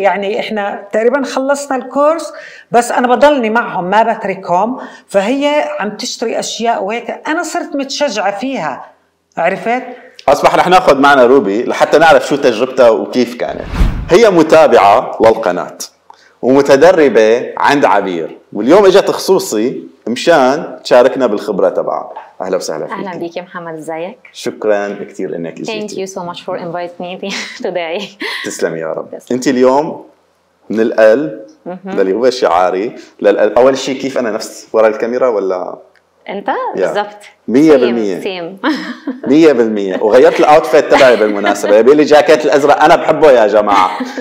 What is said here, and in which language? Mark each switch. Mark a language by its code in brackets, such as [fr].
[ar] يعني إحنا تقريبا خلصنا الكورس بس أنا بضلني معهم ما بتركهم، فهي عم تشتري أشياء وهيك أنا صرت متشجعة فيها، عرفت؟ أصبح رح نأخذ معنا روبي لحتى نعرف شو تجربتها وكيف كانت. هي متابعة للقناة ومتدربة عند عبير، واليوم إجت خصوصي مشان تشاركنا بالخبرة تبعها. أهلا وسهلا فيك. أهلا بيك يا محمد، إزيك؟ شكرا كثير إنك إجيتي. [en] Thank you so much for inviting me today. [ar] تسلم يا رب. أنت اليوم من القلب للي هو شعاري للقلب. أول شيء كيف أنا نفس وراء الكاميرا ولا؟ انت بالضبط 100% [en] same [ar] 100% وغيرت الاوتفيت تبعي بالمناسبه، يبي لي جاكيت الازرق انا بحبه يا جماعه.